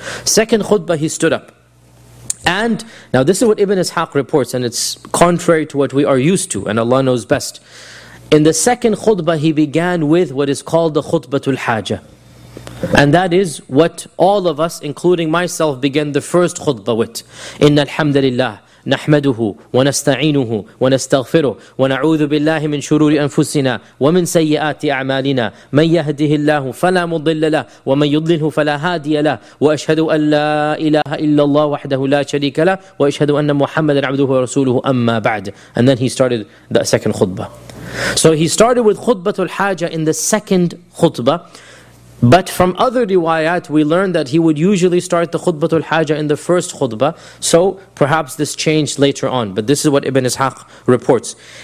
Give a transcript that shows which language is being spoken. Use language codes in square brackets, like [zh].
[en] Second khutbah, he stood up. And now this is what Ibn Ishaq reports, and it's contrary to what we are used to, and Allah knows best. In the second khutbah, he began with what is called the khutbatul hajah. And that is what all of us, including myself, began the first khutbah with. [ar] Inna alhamdulillah. نحمده ونستعينه ونستغفره ونعوذ بالله من شرور أنفسنا ومن سيئات أعمالنا من يهده الله فلا مضل له ومن يضلله فلا هادي له وأشهد أن لا إله إلا الله وحده لا شريك له وأشهد أن محمدا عبده ورسوله أما بعد. [en] And then he started the second khutbah. So he started with khutbatul hajah in the second khutbah. But from other riwayat, we learned that he would usually start the khutbatul hajah in the first khutbah. So perhaps this changed later on. But this is what Ibn Ishaq reports.